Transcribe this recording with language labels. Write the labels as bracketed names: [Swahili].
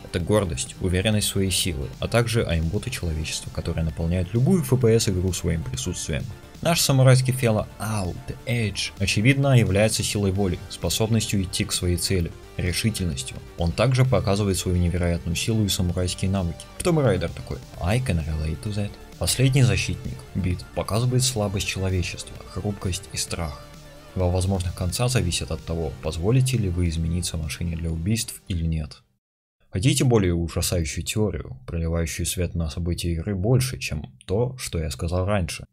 [Russian] Это гордость, уверенность в своей силы, а также аймботы человечества, которые наполняют любую FPS игру своим присутствием. Наш самурайский фелло Out the Edge, очевидно, является силой воли, способностью идти к своей цели, решительностью. Он также показывает свою невероятную силу и самурайские навыки. [English] Tomb Raider [Russian] такой, [English] I can relate to that. [Russian] Последний защитник, Бит, показывает слабость человечества, хрупкость и страх. Два возможных конца зависят от того, позволите ли вы измениться машине для убийств или нет. Хотите более ужасающую теорию, проливающую свет на события игры больше, чем то, что я сказал раньше?